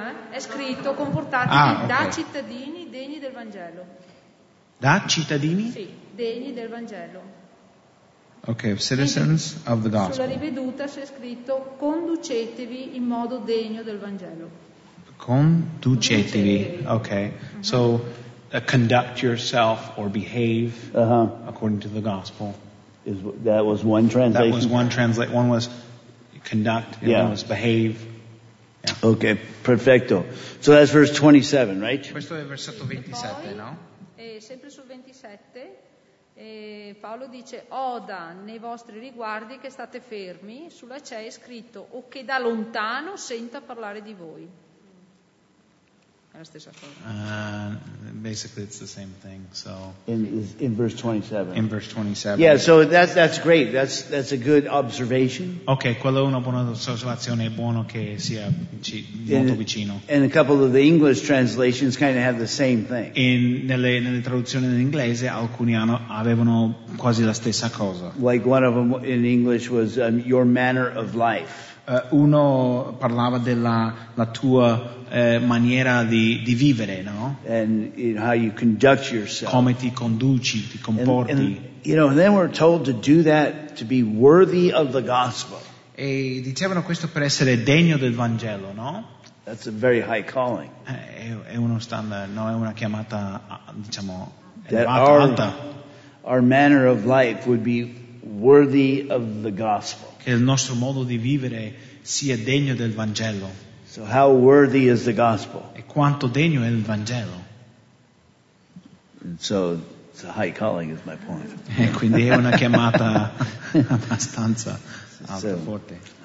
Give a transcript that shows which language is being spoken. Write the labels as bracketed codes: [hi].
[it] È scritto comportatevi da cittadini degni del Vangelo. Da cittadini? Sì, degni del Vangelo. [en] Ok, citizens of the gospel. [it] Sulla riveduta c'è scritto conducetevi in modo degno del Vangelo. Conducetevi. Ok. Uh-huh. [en] So conduct yourself or behave according to the gospel. That was one translation. That was one translate. One was conduct and one was behave. Yeah. Okay, perfetto. So that's verse 27, right? [it] Questo è il versetto 27, no? E sempre sul 27, Paolo dice, oda nei vostri riguardi che state fermi, sulla CEI è scritto, o che da lontano senta parlare di voi. È la stessa cosa. [en] Basically it's the same thing, so... In verse 27. In verse 27. Yeah, so that's great, that's a good observation. [it] Ok, quella è una buona osservazione, è buono che sia molto vicino. [en] And a couple of the English translations kind of have the same thing. [it] Nelle traduzioni in inglese, alcuni avevano quasi la stessa cosa. [en] Like one of them in English was your manner of life. [it] Uno parlava della la tua maniera di vivere, no? [en] And you know, how you conduct yourself. [it] Come ti conduci, ti comporti. [en] And, you know, then we're told to do that to be worthy of the gospel. [it] E dicevano questo per essere degno del Vangelo, no? [en] That's a very high calling. [it] È uno standard, no? È una chiamata, diciamo, alta. [en] Our manner of life would be worthy of the gospel. [it] Che il nostro modo di vivere sia degno del Vangelo. [en] So how worthy is the gospel? [it] E quanto degno è il Vangelo? [en] And so it's a high calling is my point. [it] E quindi è una chiamata abbastanza alta, forte.